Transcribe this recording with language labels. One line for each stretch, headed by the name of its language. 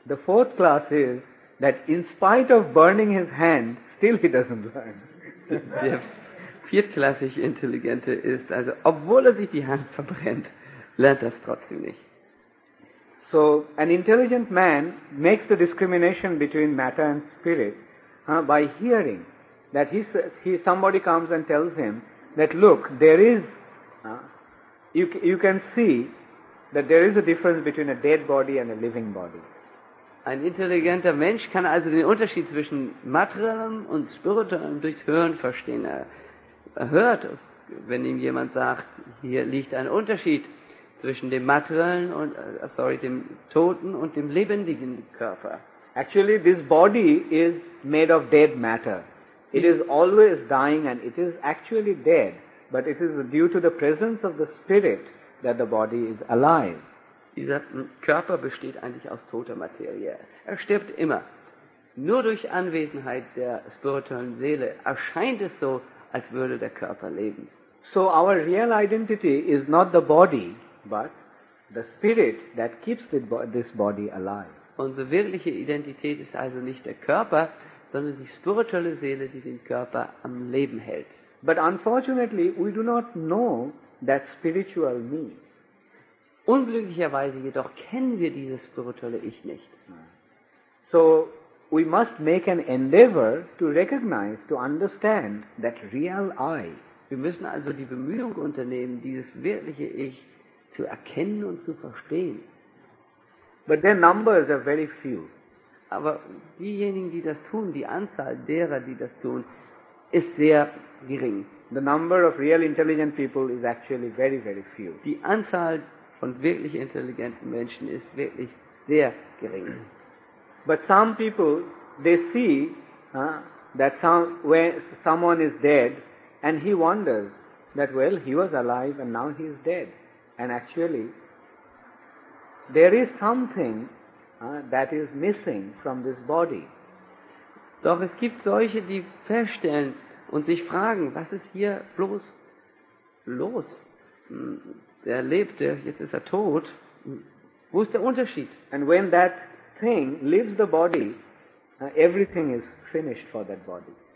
English: The fourth class is that in spite of burning his hand, still he doesn't learn.
German: Der viertklassig Intelligente ist, also obwohl er sich die Hand verbrennt, lernt er es trotzdem nicht.
English: So, an intelligent man makes the discrimination between matter and spirit by hearing, that somebody comes and tells him that look, there is you can see that there is a difference between a dead body and a living body.
German: Ein intelligenter Mensch kann also den Unterschied zwischen materiellem und spirituellem durchs Hören verstehen. Er hört, wenn ihm jemand sagt, hier liegt ein Unterschied zwischen dem materiellen und dem toten und dem lebendigen Körper.
English: Actually, this body is made of dead matter. It is always dying and it is actually dead. But it is due to the presence of the spirit that the body is alive.
German: Dieser Körper besteht eigentlich aus toter Materie. Er stirbt immer. Nur durch Anwesenheit der spirituellen Seele erscheint es so, als würde der Körper leben.
English: So our real identity is not the body, but the spirit that keeps this body alive.
German: Unsere wirkliche Identität ist also nicht der Körper, sondern die spirituelle Seele, die den Körper am Leben hält.
English: But unfortunately, we do not know that spiritual me.
German: Unglücklicherweise jedoch kennen wir dieses spirituelle Ich nicht.
English: So we must make an endeavor to recognize, to understand that real I.
German: Wir müssen also die Bemühung unternehmen, dieses wirkliche Ich zu erkennen und zu verstehen.
English: But their numbers are very few.
German: Aber diejenigen, die das tun, die Anzahl derer, die das tun, ist sehr gering.
English: The number of real intelligent people is actually very, very few.
German: Die Anzahl von wirklich intelligenten Menschen ist wirklich sehr gering.
English: But some people, they see that someone is dead, and he wonders that well, he was alive and now he is dead, and actually there is something that is missing from this body.
German: Doch es gibt solche, die feststellen und sich fragen, was ist hier bloß los? Der lebt, jetzt ist tot. Wo ist der Unterschied?
English: And when that thing leaves the body, everything is finished for that body.